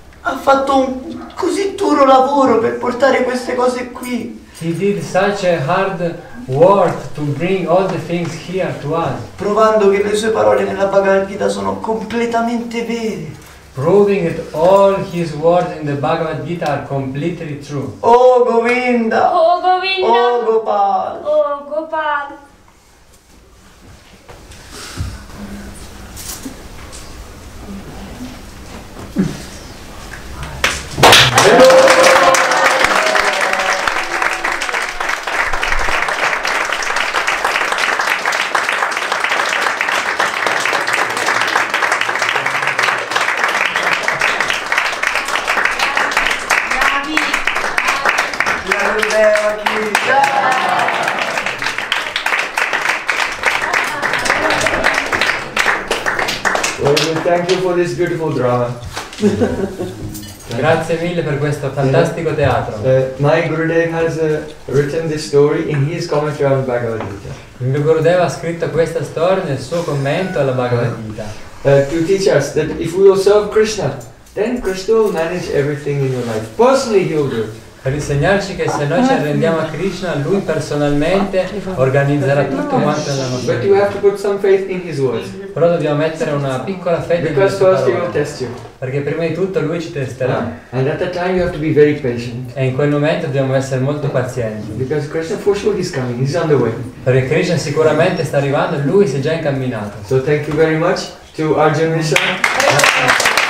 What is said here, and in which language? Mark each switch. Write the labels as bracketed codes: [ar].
[it] Ha fatto un così duro lavoro per portare queste cose qui! [en] He did such a hard work to bring all the things here to us. [it] Provando che le sue parole nella Bhagavad Gita sono completamente vere. [en] Proving that all his words in the Bhagavad Gita are completely true. Oh Govinda! Oh Govinda! Oh Gopal! Oh Gopal! This beautiful drama. [it] Grazie mille per questo fantastico teatro. [en] My Gurudev has written this story in his commentary on Bhagavad Gita. [it] Il mio Gurudev ha scritto questa storia nel suo commento alla Bhagavad Gita. [en] To teach us that if we will serve Krishna, then Krishna will manage everything in your life. Personally, he will do. [it] Per insegnarci che se noi ci arrendiamo a Krishna, lui personalmente organizzerà tutto quanto nella nostra vita. [en] But you have to put some faith in his words. [it] Però dobbiamo mettere una piccola fede in questo parola. Perché prima di tutto lui ci testerà. [en] And at that time you have to be very patient. [it] E in quel momento dobbiamo essere molto pazienti. [en] Because Krishna for sure is coming, he's on the way. [it] Perché Krishna sicuramente sta arrivando e lui si è già incamminato. [en] So thank you very much to Arjun Mishra.